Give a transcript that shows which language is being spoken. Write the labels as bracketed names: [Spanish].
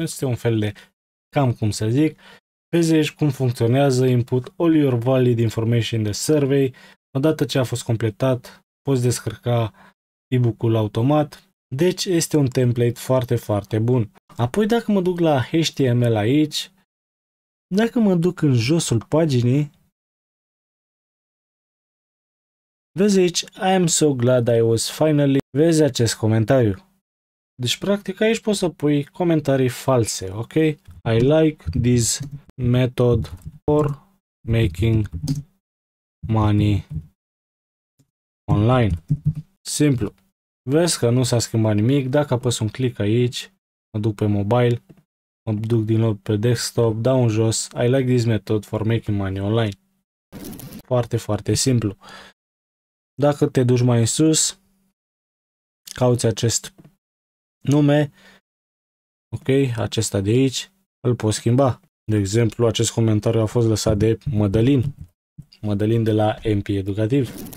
[Romanian] Este un fel de cam cum să zic. Vezi aici cum funcționează, input all your valid information de survey. Odată ce a fost completat, poți descărca e-book-ul automat, deci este un template foarte, foarte bun. Apoi dacă mă duc la HTML aici, dacă mă duc în josul paginii, [English] Vezi aici, I am so glad I was finally, vezi acest comentariu. [Romanian] Deci, practic, aici poți să pui comentarii false, ok? [English] I like this method for making money online. [Romanian] Simplu. Vezi că nu s-a schimbat nimic. Dacă apăs un click aici, mă duc pe mobile, mă duc din nou pe desktop, dau în jos. [English] I like this method for making money online. [Romanian] Foarte, foarte simplu. Dacă te duci mai în sus, cauți acest nume, ok, acesta de aici, îl poți schimba. De exemplu, acest comentariu a fost lăsat de Mădălin, Mădălin de la MP Educativ.